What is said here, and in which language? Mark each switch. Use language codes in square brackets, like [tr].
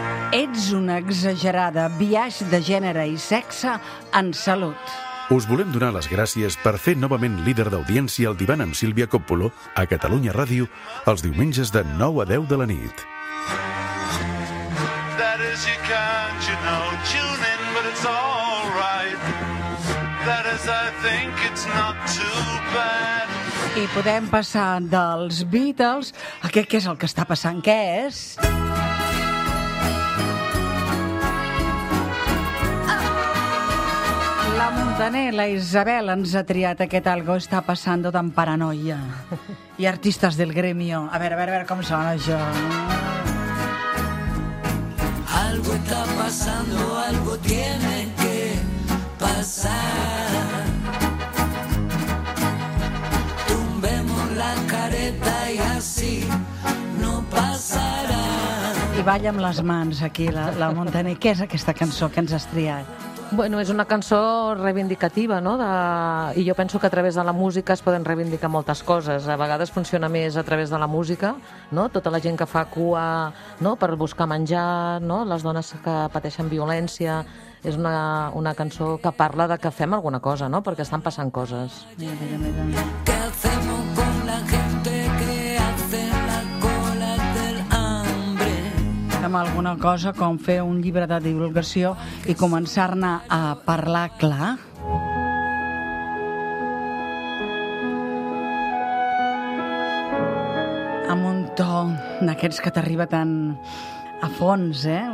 [ca] Ets una exagerada, biaix de gènere i sexe en salut. Us volem donar les gràcies per fer novament líder d'audiència al Divan amb Sílvia Coppolo a Catalunya Ràdio els diumenges de 9 a 10 de la nit. [en] That is you can't, you know, tune in, but it's all right. That is, I think it's not too bad. [ca] I podem passar dels Beatles a què és el que està passant, què és... La Montaner, la Isabel, ens ha triat aquest [es] algo está pasando [ca] tan paranoia. I artistes del gremio. A veure com sona això. [es] Algo está pasando, algo tiene que pasar. Tumbemos la careta y así no pasará. [ca] I balla amb les mans aquí, la Montaner. Què és aquesta cançó que ens has triat? Bueno, és una cançó reivindicativa, no? I jo penso que a través de la música es poden reivindicar moltes coses. A vegades funciona més a través de la música, no? Tota la gent que fa cua, no? Per buscar menjar, no? Les dones que pateixen violència. És una cançó que parla de que fem alguna cosa, no? Perquè estan passant coses. Què fem [es] con la gente que hace la cola del hambre? [ca] Fem alguna cosa com fer un llibre de divulgació i començar-ne a parlar clar. Amb un to d'aquests que t'arriba tan a fons, eh?